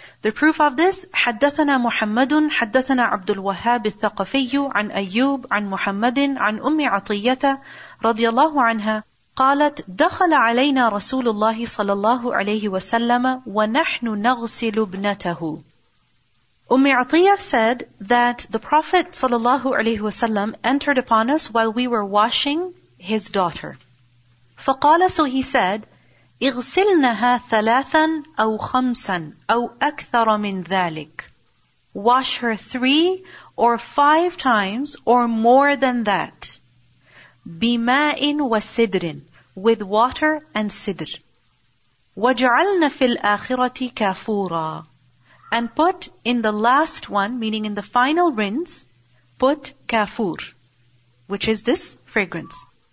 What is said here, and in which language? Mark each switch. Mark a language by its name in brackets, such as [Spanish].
[English] The proof of this, [Arabic] حدثنا محمد حدثنا عبد الوهاب الثقفي عن أيوب عن محمد عن أم عطية رضي الله عنها قالت دخل علينا رسول الله صلى الله عليه وسلم ونحن نغسل ابنته. [English] Umm Atiyah said that the Prophet sallallahu alaihi wasallam entered upon us while we were washing his daughter. [Arabic] فقال, [English] so he said, [Arabic] اغسلنها ثلاثا أو خمسا أو أكثر من ذلك. [English] Wash her 3 or 5 times or more than that. [Arabic] بماء وسدر, [English] with water and sidr. [Arabic] وجعلنا في الآخرة كافورا, [English] and put in the last one, meaning in the final rinse, put kafur, which is this fragrance.